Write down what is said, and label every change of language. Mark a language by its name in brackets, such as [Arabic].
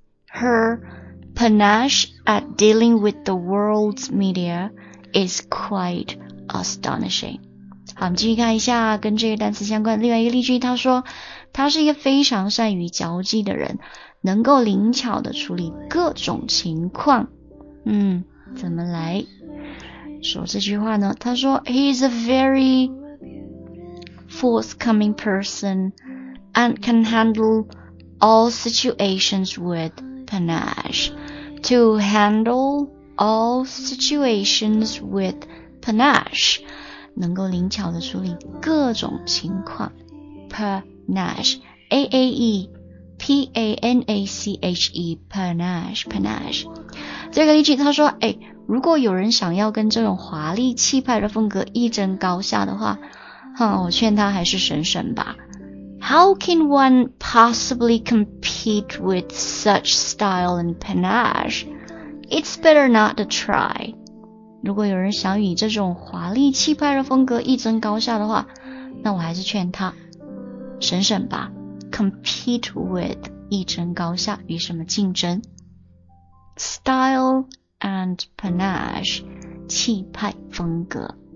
[English] Her panache at dealing with the world's media is quite astonishing。 [Chinese] 好，我们继续看一下跟这个单词相关的另外一个例句，他说他是一个非常善于交际的人，能够灵巧地处理各种情况。嗯，怎么来说这句话呢，他说 [English] He's a very forthcoming person and can handle all situations with panache. To handle all situations with panache， [Chinese] 能够灵巧的处理各种情况。 [English] Panache， A A E P A N A C H E， panache， panache。 [Chinese] 这个例句，他说，哎，如果有人想要跟这种华丽气派的风格一争高下的话，哼，我劝他还是省省吧。 [English] How can one possibly compete with such style and panache? It's better not to try. [Chinese] 如果有人想与这种华丽气派的风格一争高下的话，那我还是劝他省省吧。 [English] Compete with [Chinese] 一争高下，与什么竞争？ [English] Style and panache 气派风格。